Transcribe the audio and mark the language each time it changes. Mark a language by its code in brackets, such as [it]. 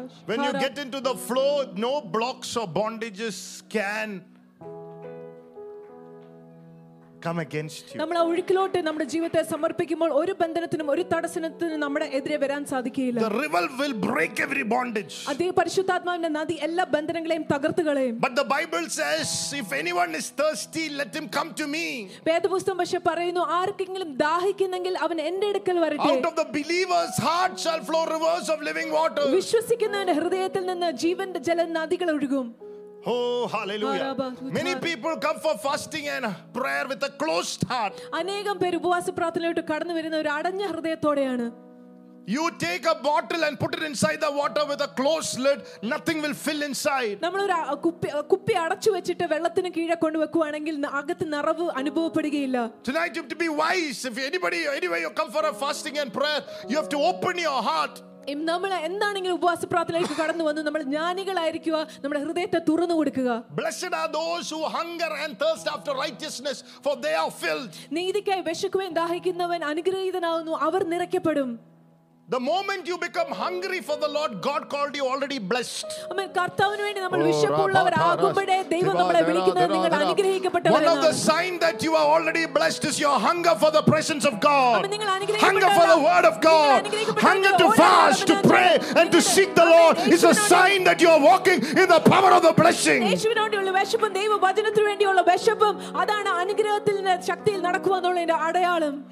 [en] When you get into the flow, no blocks or bondages can come against you. [ml] നമ്മൾ ഒഴുക്കിലോട്ട് നമ്മുടെ ജീവിതത്തെ സമർപ്പിക്കുമ്പോൾ ഒരു ബന്ധനത്തിനും ഒരു തടസ്സത്തിനും നമ്മുടെ എതിരെ വരാൻ സാധിക്കില്ല. [en] The river will break every bondage. [ml] അതേ പരിശുദ്ധാത്മാവിന്റെ നദി എല്ലാ ബന്ധനങ്ങളെയും തകർത്തു കളയും. [en] But the Bible says if anyone is thirsty let him come to me. [ml] വേദപുസ്തകം പക്ഷേ പറയുന്നു ആർക്കെങ്കിലും ദാഹിക്കുന്നെങ്കിൽ അവൻ എൻ്റെ അടുക്കൽ വരട്ടെ. [en] Out of the believer's heart shall flow rivers of living water. [ml] വിശ്വസിക്കുന്നവന്റെ ഹൃദയത്തിൽ നിന്ന് ജീവന്റെ ജലനദികൾ ഒഴുകും. [en] Oh, hallelujah. Many people come for fasting and prayer with a closed heart. [ml] അനേകം പേർ ഉപവാസ പ്രാർത്ഥനയോട് കടന്നു വരുന്ന ഒരു അടഞ്ഞ ഹൃദയത്തോടെയാണ്. [en] You take a bottle and put it inside the water with a closed lid, nothing will fill inside. [ml] നമ്മൾ ഒരു കുപ്പി അടച്ചു വെച്ചിട്ട് വെള്ളത്തിന് കീഴെ കൊണ്ടുവെക്കുവാണെങ്കിൽ അകത്ത് നിറവ് അനുഭവപ്പെടുകയില്ല. [en] Tonight you have to be wise. If anybody anyway you come for a fasting and prayer, you have to open your heart. [ml] നമ്മൾ എന്താണെങ്കിലും ഉപവാസ പ്രാർത്ഥനയിലേക്ക് കടന്നു വന്ന് നമ്മൾ ജ്ഞാനികളായിരിക്കുക, നമ്മുടെ ഹൃദയത്തെ തുറന്നു കൊടുക്കുക. [en] Blessed are those who hunger and thirst after righteousness, for they are filled. [ml] നീതിക്കായി വിശക്കുകയും ദാഹിക്കുന്നവൻ അനുഗ്രഹീതനാകുന്നു, our നിറയ്ക്കപ്പെടും. [en] The moment you become hungry for the Lord, God called you already blessed. [ml] അമേൻ. കർത്താവിനു വേണ്ടി നമ്മൾ വിശപ്പുള്ളവരാ ആകുമ്പോഴേ ദൈവം നമ്മളെ വിളിക്കുന്നു, നിങ്ങൾ അനുഗ്രഹിക്കപ്പെട്ടവരാണ്. [en] One of the sign that you are already blessed is your hunger for the presence of God. [ml] അമേൻ. നിങ്ങൾ അനുഗ്രഹിക്കപ്പെട്ടവരാണ്. [en] Hunger for the word of God. Hunger to fast, to pray and to seek the Lord is a sign that you are walking in the power of the blessing. [ml] യേശുവിനോടുള്ള വിശപ്പും ദൈവവചനത്തിനു വേണ്ടിയുള്ള വിശപ്പും അതാണ് അനുഗ്രഹത്തിന്റെ ശക്തിയിൽ നടക്കുവാനുള്ളതിന്റെ അടയാളം.